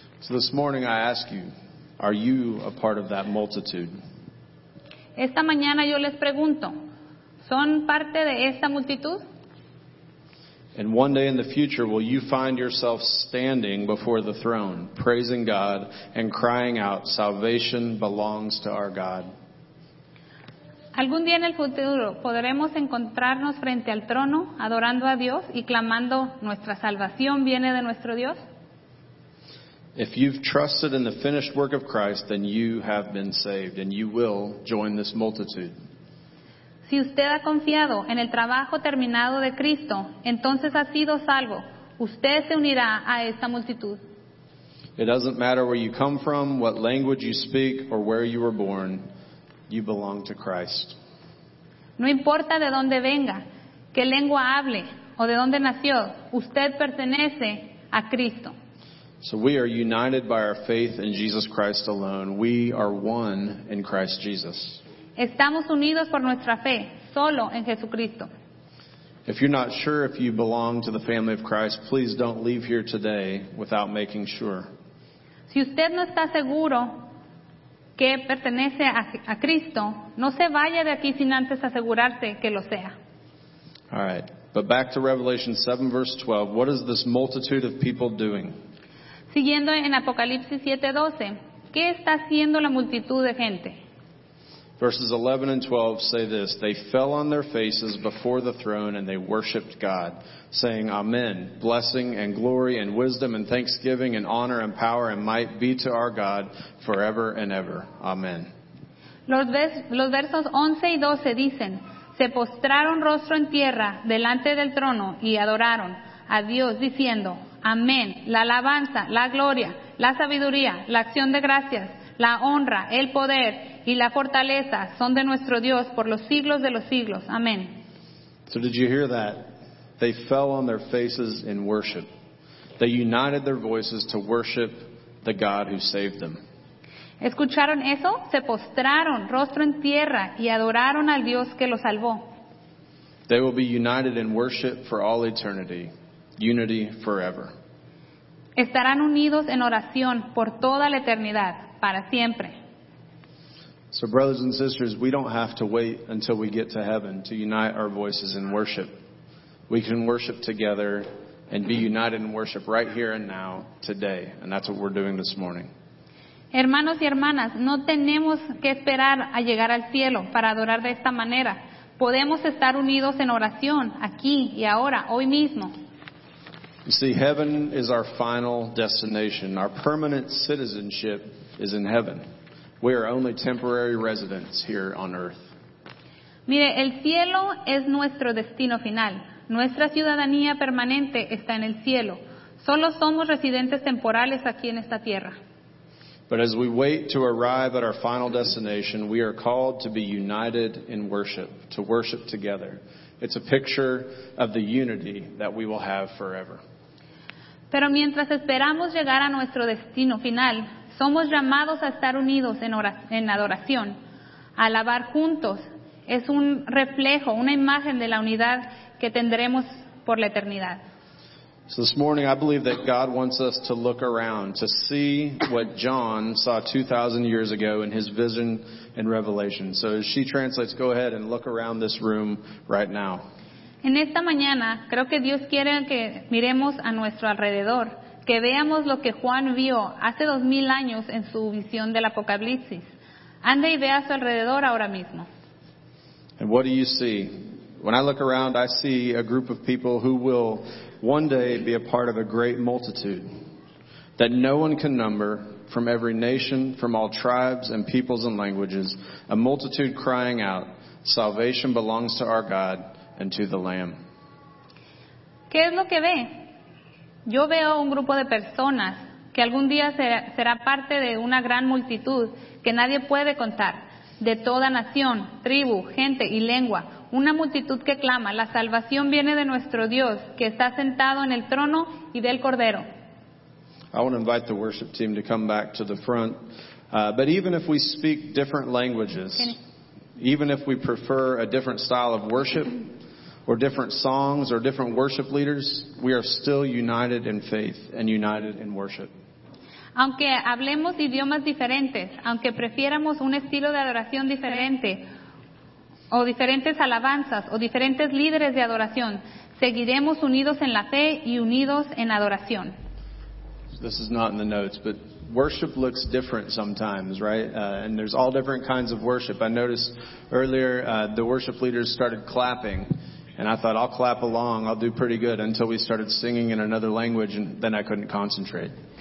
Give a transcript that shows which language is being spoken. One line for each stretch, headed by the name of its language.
English: So this morning I ask you, are you a part of that multitude?
Spanish: Esta mañana yo les pregunto, ¿son parte de esta multitud?
English: And one day in the future, will you find yourself standing before the throne, praising God and crying out, "Salvation belongs to our God"?
Spanish: Algún día en el futuro podremos encontrarnos frente al trono, adorando a Dios y clamando, "Nuestra salvación viene de nuestro Dios"?
English: If you've trusted in the finished work of Christ, then you have been saved, and you will join this multitude.
Spanish: Si usted ha confiado en el trabajo terminado de Cristo, entonces ha sido salvo. Usted se unirá a esta multitud.
English: It doesn't matter where you come from, what language you speak, or where you were born. You belong to Christ.
Spanish: No importa de dónde venga, qué lengua hable, o de dónde nació, usted pertenece a Cristo.
English: So we are united by our faith in Jesus Christ alone. We are one in Christ Jesus.
Spanish: Estamos unidos por nuestra fe, solo en Jesucristo.
English: If you're not sure if you belong to the family of Christ, please don't leave here today without making sure.
Spanish: Si usted no está seguro que pertenece a Cristo, no se vaya de aquí sin antes asegurarse que lo sea.
English: All right, but back to Revelation 7, verse 12. What is this multitude of people doing?
Spanish: Siguiendo en Apocalipsis 7:12, ¿qué está haciendo la multitud de gente?
English: Verses 11 and 12 say this: they fell on their faces before the throne and they worshiped God, saying, "Amen. Blessing and glory and wisdom and thanksgiving and honor and power and might be to our God forever and ever. Amen."
Spanish: Los versos 11 y 12 dicen: se postraron rostro en tierra delante del trono y adoraron a Dios diciendo: amén, la alabanza, la gloria, la sabiduría, la acción de gracias, la honra, el poder y la fortaleza son de nuestro Dios por los siglos de los siglos. Amén.
English: So did you hear that? They fell on their faces in worship. They united their voices to worship the God who saved them.
Spanish: ¿Escucharon eso? Se postraron rostro en tierra y adoraron al Dios que los salvó.
English: They will be united in worship for all eternity. Unity forever.
Spanish: Estarán unidos en oración por toda la eternidad, para siempre.
English: So brothers and sisters, we don't have to wait until we get to heaven to unite our voices in worship. We can worship together and be united in worship right here and now, today. And that's what we're doing this morning.
Spanish: Hermanos y hermanas, no tenemos que esperar a llegar al cielo para adorar de esta manera. Podemos estar unidos en oración aquí y ahora, hoy mismo.
English: You see, heaven is our final destination. Our permanent citizenship is in heaven. We are only temporary residents here on earth.
Spanish: Mire, el cielo es nuestro destino final. Nuestra ciudadanía permanente está en el cielo. Solo somos residentes temporales aquí en esta tierra.
English: But as we wait to arrive at our final destination, we are called to be united in worship, to worship together. It's a picture of the unity that we will have forever.
Spanish: Pero mientras esperamos llegar a nuestro destino final, somos llamados a estar unidos en adoración. Alabar juntos es un reflejo, una imagen de la unidad que tendremos por la eternidad.
English: So this morning I believe that God wants us to look around to see what John saw 2,000 years ago in his vision and revelation. So as she translates, go ahead and look around this room right now.
Spanish: En esta mañana creo que Dios quiere que miremos a nuestro alrededor, que veamos lo que Juan vio hace 2,000 años en su visión del Apocalipsis. Ande y vea a su alrededor ahora mismo.
English: And what do you see? When I look around, I see a group of people who will one day be a part of a great multitude that no one can number, from every nation, from all tribes and peoples and languages, a multitude crying out, "Salvation belongs to our God and to the Lamb."
Spanish: ¿Qué es lo que ve? Yo veo un grupo de personas que algún día será parte de una gran multitud que nadie puede contar, de toda nación, tribu, gente y lengua, una multitud que clama, la salvación viene de nuestro Dios, que está sentado en el trono y del Cordero.
English: I want to invite the worship team to come back to the front. But even if we speak different languages, even if we prefer a different style of worship, or different songs, or different worship leaders, we are still united in faith and united in worship.
Spanish: Aunque hablemos idiomas diferentes, aunque prefiéramos un estilo de adoración diferente, o diferentes alabanzas, o diferentes líderes de adoración, seguiremos unidos en la fe y unidos en adoración.
English: This is not in the notes, but worship looks different sometimes, right? And there's all different kinds of worship. I noticed earlier the worship leaders started clapping. And I thought, I'll clap along, I'll do pretty good, until we started singing in another language, and then I couldn't concentrate.